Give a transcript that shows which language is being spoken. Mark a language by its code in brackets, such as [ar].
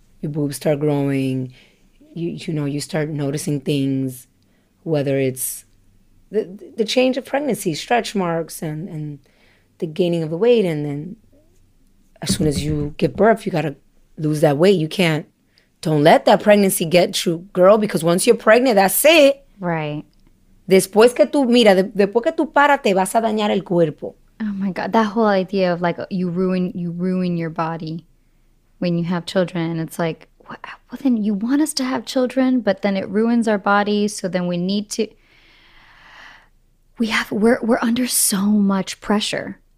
[en] Your boobs start growing. You know, you start noticing things, whether it's the change of pregnancy, stretch marks and the gaining of the weight. And then as soon as you give birth, you got to lose that weight. You can't, don't let that pregnancy get you, girl, because once you're pregnant, that's it. Right. [es] Después que tú, mira, después que tú paras, te vas a dañar el cuerpo. [en] Oh my God. That whole idea of like, you ruin your body. When you have children, it's like, well, then you want us to have children, but then it ruins our bodies. So then we need to, we're under so much pressure.